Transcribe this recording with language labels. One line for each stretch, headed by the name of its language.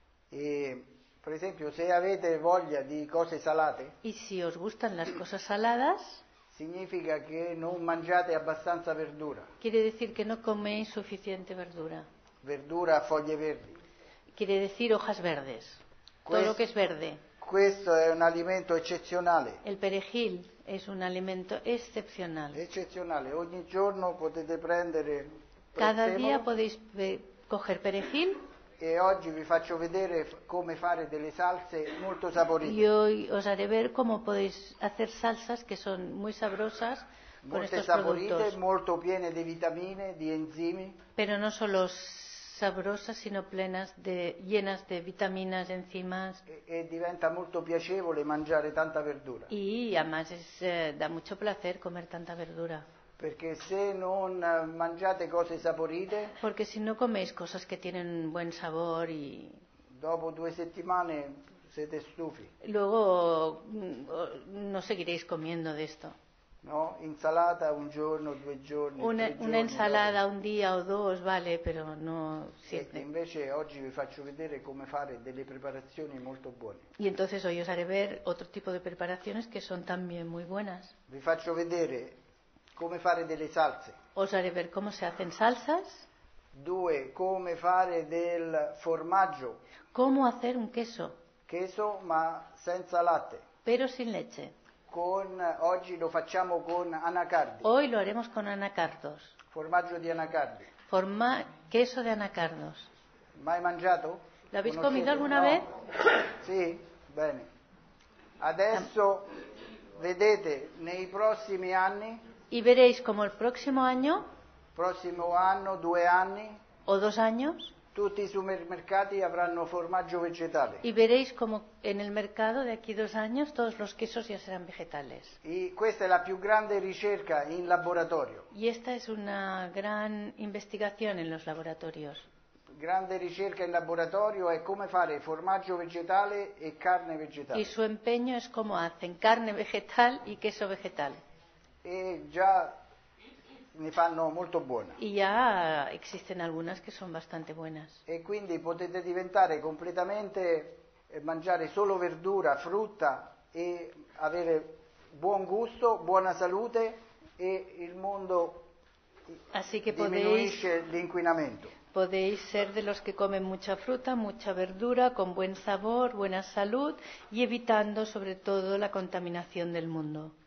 Italian: E per esempio, se avete voglia di cose salate,
Spanish: y si os gustan las cosas saladas,
Italian: significa che non mangiate abbastanza verdura.
Spanish: Quiere decir que no coméis suficiente verdura.
Italian: Verdura a foglie verdi.
Spanish: Quiere decir hojas verdes. Todo lo que es verde.
Italian: Questo è un alimento eccezionale.
Spanish: El perejil es un alimento excepcional.
Italian: Eccezionale. Ogni giorno potete prendere.
Spanish: Cada día podéis coger perejil.
Italian: E oggi vi faccio vedere come fare delle salse molto saporite.
Spanish: Y hoy os haré ver cómo podéis hacer salsas que son muy sabrosas.
Italian: Molto saporite, molto piene di vitamine, di enzimi.
Spanish: Pero no solo sabrosas, sino plenas de, llenas de vitaminas, enzimas.
Italian: Y diventa molto piacevole mangiare tanta verdura.
Spanish: Y además es, da mucho placer comer tanta verdura.
Italian: Perché se non mangiate cose saporite.
Spanish: Porque si no coméis cosas que tienen buen sabor y.
Italian: Dopo due settimane siete stufi.
Spanish: Luego no seguiréis comiendo de esto.
Italian: No, insalata un giorno, due giorni,
Spanish: una ensalada un día o dos, vale, pero no siete.
Italian: Invece oggi vi faccio vedere come fare delle preparazioni molto buone.
Spanish: Y entonces hoy os haré ver otro tipo de preparaciones que son también muy buenas.
Italian: Vi faccio vedere come fare delle salse.
Spanish: Os haré ver cómo se hacen salsas.
Italian: Due, come fare del formaggio.
Spanish: ¿Cómo hacer un queso?
Italian: Queso, ma senza latte.
Spanish: Pero sin leche.
Italian: Oggi lo facciamo con anacardi.
Spanish: Hoy lo haremos con anacardos.
Italian: Formaggio di anacardi.
Spanish: Queso de anacardos.
Italian: Mai mangiato?
Spanish: L'habéis comido alguna vez?
Italian: Sì, bene. Adesso vedete nei prossimi anni.
Spanish: Y veréis como el próximo año.
Italian: Prossimo anno, due anni.
Spanish: O dos años.
Italian: Tutti i supermercati avranno formaggio vegetale.
Spanish: Y veréis como en el mercado de aquí dos años todos los quesos ya serán vegetales.
Italian: Y questa è la più grande ricerca in laboratorio.
Spanish: Y esta es una gran investigación en los laboratorios.
Italian: Grande ricerca in laboratorio è come fare formaggio vegetale e carne vegetale.
Spanish: Y su empeño es cómo hacen carne vegetal y queso vegetal.
Italian: E già ne fanno molto buona.
Spanish: Y ya existen algunas que son bastante buenas.
Italian: E quindi potete diventare completamente mangiare solo verdura, frutta e avere buon gusto, buona salute e il mondo
Spanish: así que
Italian: diminuisce l'inquinamento.
Spanish: Podéis ser de los que comen mucha fruta, mucha verdura, con buen sabor, buena salud y evitando sobre todo la contaminación del mundo.